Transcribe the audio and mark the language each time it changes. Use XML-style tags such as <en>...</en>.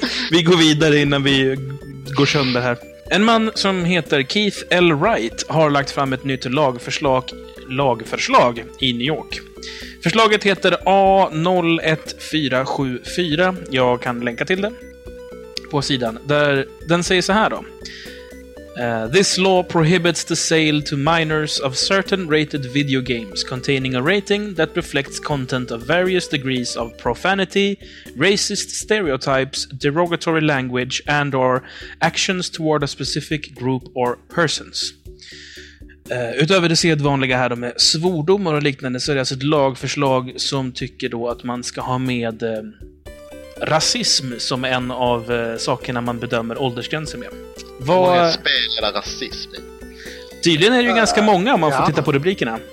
<sv>Vi går vidare innan vi går sönder här. En man som heter Keith L. Wright har lagt fram ett nytt lagförslag i New York. Förslaget heter A01474. Jag kan länka till det på sidan. Där den säger så här då.</sv> <en>This law prohibits the sale to minors of certain rated video games containing a rating that reflects content of various degrees of profanity, racist stereotypes, derogatory language and or actions toward a specific group or persons.</en> <sv>Utöver det sedvanliga här med svordomar och liknande så är det alltså ett lagförslag som tycker då att man ska ha med rasism som en av sakerna man bedömer åldersgränser med. Vad spelar rasism i? Tydligen är det ju ganska många om man får titta på rubrikerna.</sv>